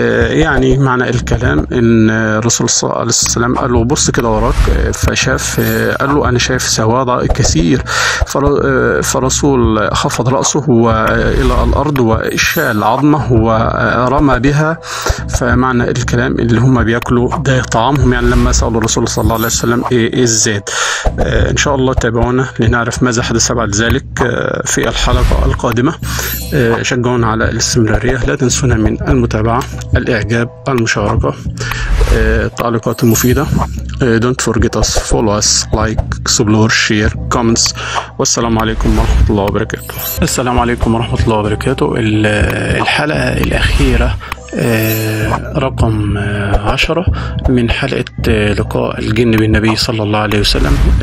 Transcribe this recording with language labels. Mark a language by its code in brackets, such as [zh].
[ar] يعني معنى الكلام إن رسول الله صلى الله عليه وسلم قال له بص كده وراك، فشاف قال له أنا شايف سواد كثير، فرسول خفض رأسه إلى الأرض وشال عظمه ورمى بها، فمعنى الكلام اللي هم بيأكلوا ده طعامهم، يعني لما سألوا الرسول صلى الله عليه وسلم إيه الزاد. إن شاء الله تابعونا لنعرف ماذا حدث بعد ذلك في الحلقة القادمة. شجعونا على الاستمرارية، لا تنسونا من المتابعة، الإعجاب، المشاركة، التعليقات المفيدة. [en] Don't forget us, follow us, like, explore, share, comments. [ar] والسلام عليكم ورحمة الله وبركاته. السلام عليكم ورحمة الله وبركاته. الحلقة الأخيرة رقم 10 من حلقة لقاء الجن بالنبي صلى الله عليه وسلم.